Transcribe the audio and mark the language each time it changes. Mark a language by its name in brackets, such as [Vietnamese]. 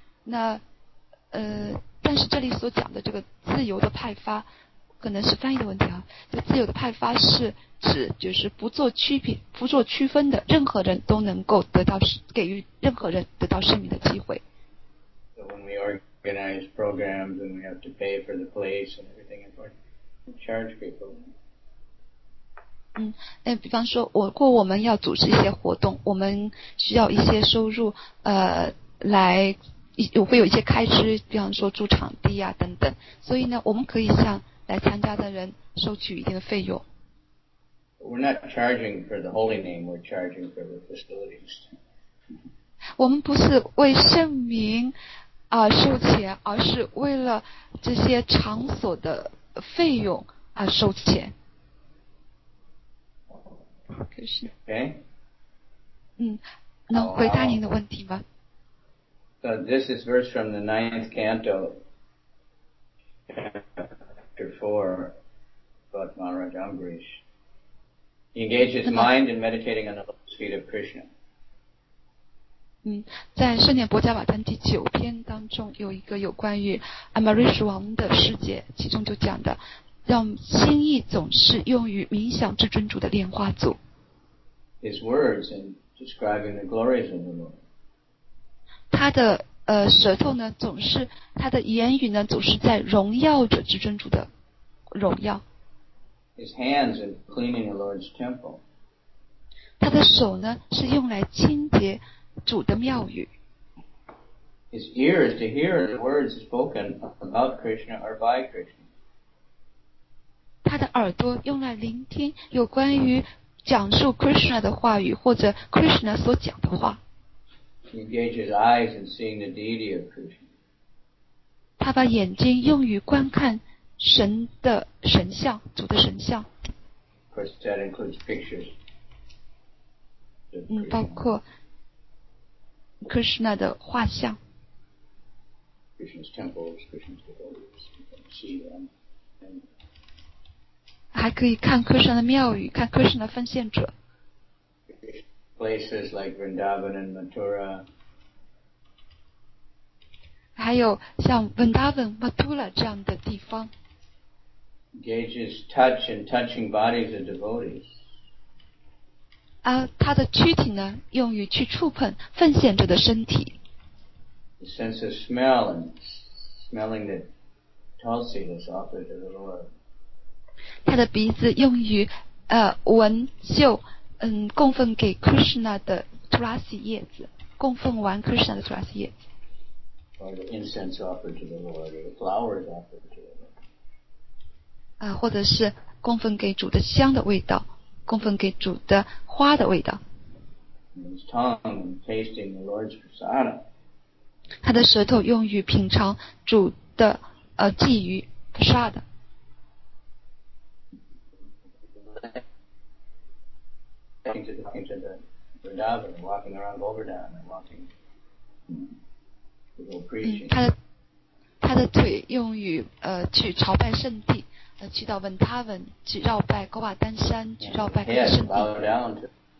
[Chinese] 那但是这里所讲的这个自由的派发，可能是翻译的问题啊。就自由的派发是指就是不做区别、不做区分的，任何人都能够得到给予任何人得到圣名的机会。 [English] So when we organize programs and we have to pay for the place and everything, we charge people. [Chinese] 比方说我们要组织一些活动，我们需要一些收入来会有一些开支，比方说租场地啊等等，所以呢我们可以向来参加的人收取一定的费用。 [English] We're not charging for the holy name, we're charging for the facilities. [Chinese] 我们不是为圣名收钱，而是为了这些场所的费用收钱。可是 [English] ，okay. [Chinese] 能回答您的问题吗？ [English] This is verse from the 9th canto, chapter 4, about Maharaj Ambarish. He engaged his mind in meditating on the lotus feet of Krishna. [Chinese] 在圣殿伯加瓦坦第九篇当中有一个有关于 Amarish 王的世界，其中就讲的让心意总是用于冥想至尊主的莲花座。 [English] His words in describing the glories of the Lord. [Chinese] 他的舌头呢总是他的言语呢总是在荣耀着至尊主的荣耀。 [English] His hands in cleaning the Lord's temple. [Chinese] 他的手呢是用来清洁主的庙宇。 [English] His ears to hear the words spoken about Krishna or by Krishna. [Chinese] 他的耳朵用来聆听有关于讲述 Krishna 的话语或者 Krishna 所讲的话。 [English] He engaged his eyes in seeing the deity of Krishna. [Chinese] 他把眼睛用于观看神的神像，主的神像。 [English] Of course, that includes pictures. [Chinese] 包括Krishna 的画像。 [English] Krishna's temples, Krishna's devotees, you can see them. [Chinese] 还可以看 Krishna 的庙宇，看 Krishna 的奉献者。 [English] Places like Vrindavan and Mathura. [Chinese] 还有像 Vrindavan, Mathura 这样的地方。 [English] Engages touch and touching bodies of devotees. [Chinese] 他的躯体呢用于去触碰奉献者的身体。 [English] The sense of smell and smelling the tulsi that's offered to the Lord. [Chinese] 他的鼻子用于闻嗅供奉给 Krishna 的 Tulasi 叶子，供奉完 Krishna 的 Tulasi 叶子。 [English] Or the incense offered to the Lord, or the flowers offered to the Lord. [Chinese] 或者是供奉给主的香的味道，供奉给主的花的味道。 [English] His tongue tasting the Lord's prasada. [Chinese] 他的舌头用于品尝主的鲫鱼 prasad. [English] Into the Vrindavan, walking around Govardhan and walking. People preaching. [Chinese] 他的腿用于去朝拜圣地。去到文他文，去绕拜高瓦丹山，去绕拜他的圣地。